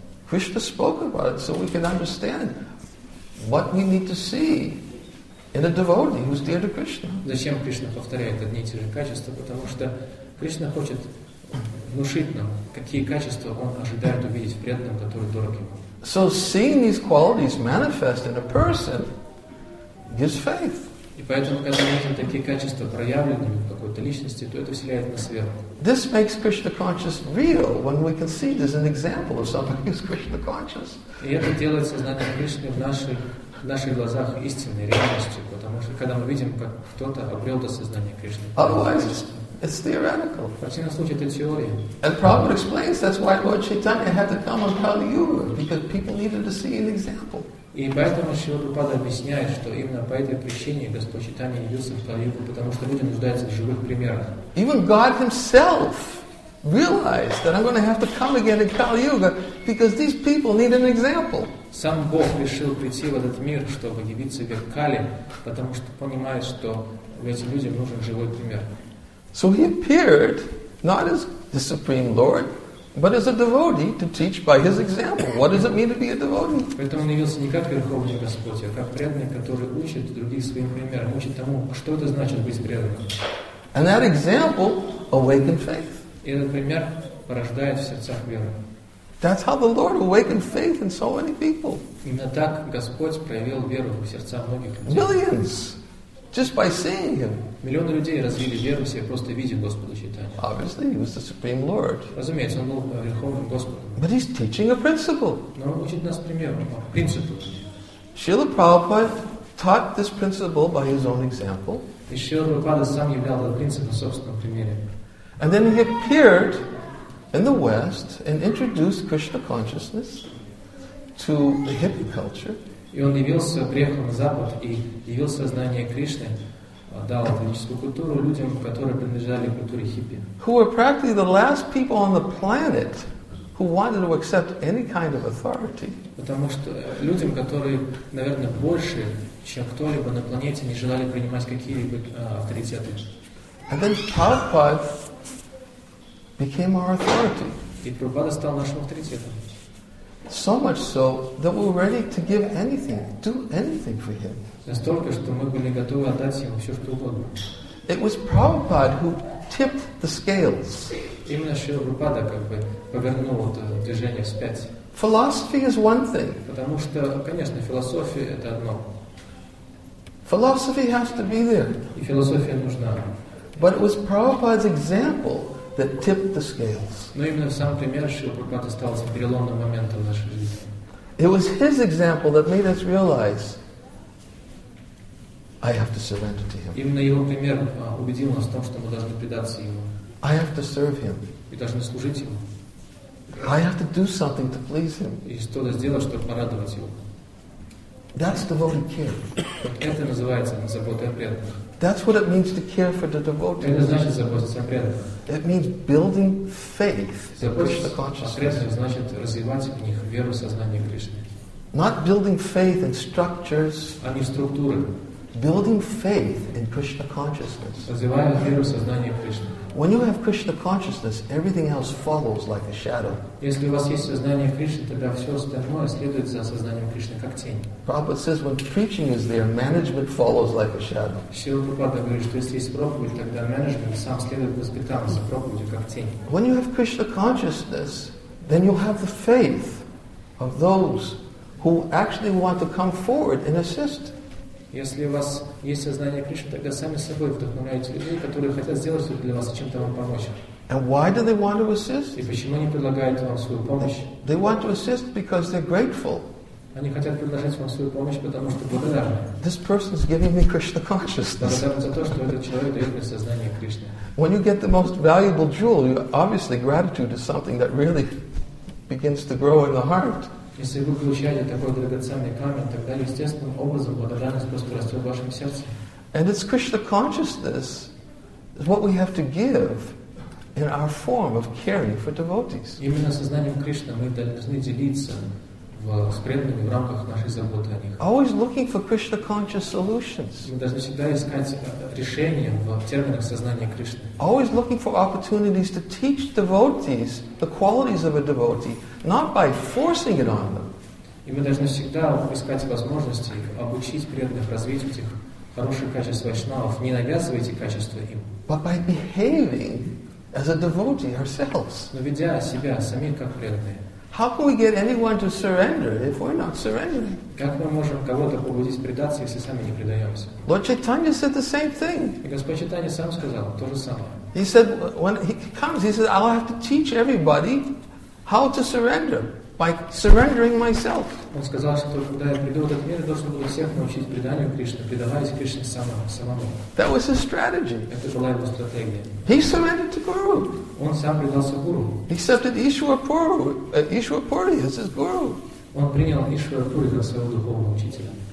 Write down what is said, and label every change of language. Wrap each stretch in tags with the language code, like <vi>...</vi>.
<en>Krishna spoke about it so we can understand what we need to see in a devotee who's dear to Krishna.</en> <ru>Зачем Кришна повторяет одни и те же качества? Потому что Кришна хочет внушить нам, какие качества он ожидает увидеть в преданном, который дорог ему.</ru> <en>So seeing these qualities manifest in a person gives faith.</en> <ru>И поэтому, когда мы видим такие качества проявленными в какой-то личности, то это вселяет нас в веру.</ru> <en>This makes Krishna conscious real when we can see this as an example of somebody who's Krishna conscious.</en> <ru>И это делает сознание Кришны в наших глазах истинной реальностью, потому что когда мы видим, как кто-то обрел это сознание Кришны.</ru> <en>Otherwise, it's theoretical.</en> <ru>В противном случае, это теория.</ru> <en>And Prabhupada explains that's why Lord Chaitanya had to come on Kali Yuga, because people needed to see an example.</en> <ru>И поэтому Шрила Прабхупада объясняет, что именно по этой причине Господь Чайтанья явился в Кали-Югу, потому что люди нуждаются в живых примерах.</ru> <en>Even God himself realize that I'm going to have to come again in Kali Yuga because these people need an example.</en> <ru>Сам Бог решил прийти в этот мир, чтобы явиться в Кали, потому что понимает, что этим людям нужен живой пример.</ru> <en>So he appeared not as the Supreme Lord, but as a devotee to teach by his example. What does it mean to be a devotee?</en> <ru>Поэтому он явился не как верховный Господь, а как преданный, который учит других своим примером, учит тому, что это значит быть преданным.</ru> <en>And that example awakened faith.</en> <ru>И этот пример порождает в сердцах веру.</ru> <en>That's how the Lord awakened faith in so many people.</en> <ru>Именно так Господь проявил веру в сердца многих людей.</ru> <en>Millions, just by seeing Him.</en> <ru>Миллионы людей развили веру себе просто видя Господа Читания.</ru> <en>Obviously, He was the Supreme Lord.</en> <ru>Разумеется, Он был верховным Господом.</ru> <en>But He's teaching a principle.</en> <ru>Но Он учит нас примеру, принципу.</ru> <en>Шрила Прабхупада taught this principle by His own example.</en> <ru>И Шрила Прабхупада сам являл этот принцип на собственном примере.</ru> <en>And then He appeared in the West and introduced Krishna consciousness to the hippie culture.</en> <ru>И он явился, приехал на Запад и явил сознание Кришны, дал ведическую культуру людям, которые принадлежали культуре хиппи.</ru> <en>Who were practically the last people on the planet who wanted to accept any kind of authority.</en> <ru>Потому что людям, которые, наверное, больше, чем кто-либо на планете, не желали принимать какие-либо авторитеты.</ru> <en>And then Prabhupada became our authority.</en> <ru>И Прабхупада стал нашим авторитетом.</ru> <en>So much so that we were ready to give anything, do anything for him.</en> <ru>Настолько, что мы были готовы отдать ему все, что угодно.</ru> <en>It was Prabhupada who tipped the scales.</en> <ru>Именно Шрила Прабхупада как бы повернул это движение вспять.</ru> <en>Philosophy is one thing.</en> <ru>Потому что, конечно, философия это одно.</ru> <en>Philosophy has to be there.</en> <ru>И философия нужна.</ru> <en>But it was Prabhupada's example that tipped the scales.</en> <ru>Но именно сам пример Шрилы Прабхупады стал переломным моментом в нашей жизни.</ru> <en>It was his example that made us realize I have to surrender to him.</en> <ru>Именно его пример убедил нас в том, что мы должны предаться ему.</ru> <en>I have to serve him.</en> <ru>Мы должны служить ему.</ru> <en>I have to do something to please him.</en> <ru>И что-то сделать, чтобы порадовать его.</ru> <en>That's devotee care.</en> <ru>Это называется забота о преданных.</ru> <en>That's what it means to care for the devotee.</en> <ru>Это значит заботиться о преданных.</ru> <en>It means building faith in Krishna consciousness.</en> <ru>Значит развивать в них веру сознания Кришны.</ru> <en>Not building faith in structures.</en> <ru>А не структуры.</ru> <en>Building faith in Krishna consciousness.</en> <ru>Развивая веру сознания Кришны.</ru> <en>When you have Krishna consciousness, everything else follows like a shadow.</en> <ru>Если у вас есть сознание Кришны, тогда все остальное следует за сознанием Кришны как тень.</ru> <en>Prabhupada says when preaching is there, management follows like a shadow.</en> <ru>Шрила Прабхупада говорит, что если есть проповедь, тогда менеджмент сам следует по пятам за проповедью как тень.</ru> <en>When you have Krishna consciousness, then you have the faith of those who actually want to come forward and assist.</en> <ru>Если у вас есть сознание Кришны, тогда сами собой вдохновляете людей, которые хотят сделать что-то для вас и чем-то вам помочь.</ru> <en>And why do they want to assist?</en> <ru>И почему они предлагают вам свою помощь?</ru> <en>They want to assist because they're grateful.</en> <ru>Они хотят предложить вам свою помощь, потому что благодарны.</ru> <en>This person is giving me Krishna consciousness.</en> <ru>Благодарны за то, что этот человек дает мне сознание Кришны.</ru> <en>When you get the most valuable jewel, obviously gratitude is something that really begins to grow in the heart.</en> <ru>Если вы получаете такой драгоценный камень, тогда естественным образом благодарность просто растет в вашем сердце.</ru> <en>And it's Krishna consciousness is what we have to give in our form of caring for devotees.</en> <ru>Именно сознанием Кришны мы должны делиться с преданными в рамках нашей заботы о них.</ru> <en>Always looking for Krishna conscious solutions.</en> <ru>Мы должны всегда искать решения в терминах сознания Кришны.</ru> <en>Always looking for opportunities to teach devotees the qualities of a devotee, not by forcing it on them.</en> <ru>И мы должны всегда искать возможности обучить преданных развить этих хороших качеств вайшнавов, не навязывая эти качества им.</ru> <en>But by behaving as a devotee ourselves.</en> <ru>Но ведя себя самих как преданные.</ru> <en>How can we get anyone to surrender if we're not surrendering?</en> <ru>Как мы можем кого-то побудить предаться, если сами не предаемся?</ru> <en>Lord Chaitanya said the same thing.</en> <ru>И Господь Чайтанья сам сказал то же самое.</ru> <en>He said when he comes, he said, I'll have to teach everybody how to surrender by surrendering myself.</en> <ru>Он сказал, что когда я приду в этот мир, я должен буду всех научить преданию Кришне, предаваясь Кришне самому.</ru> <en>That was his strategy.</en> <ru>Это была его стратегия.</ru> <en>He surrendered to Guru.</en> <ru>Он сам предался Гуру.</ru> <en>He accepted Ishwarpuri as his Guru.</en> <ru>Он принял Ishwarpuri за своего духовного учителя.</ru>